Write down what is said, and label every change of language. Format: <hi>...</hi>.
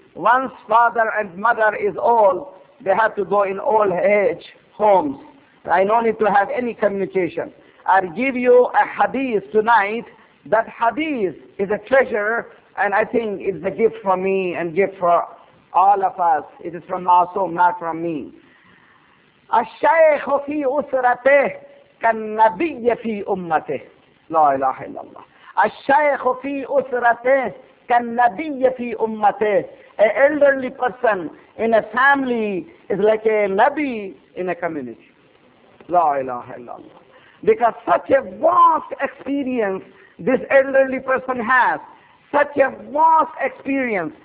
<en>Once father and mother is old, they have to go in old age homes. I don't need to have any communication. I'll give you a hadith tonight. That hadith is a treasure, and I think it's a gift for me and gift for all of us. It is from Masoom, not from me.</en> <ar>الشيخ في أسرته كالنبي في أمته. لا إله إلا الله. الشيخ في أسرته كالنبي في أمته.</ar> <en>An elderly person in a family is like a Nabi in a community.</en> <ar>لا إله إلا الله.</ar> <en>Because such a vast experience this elderly person has. Such a vast experience.</en>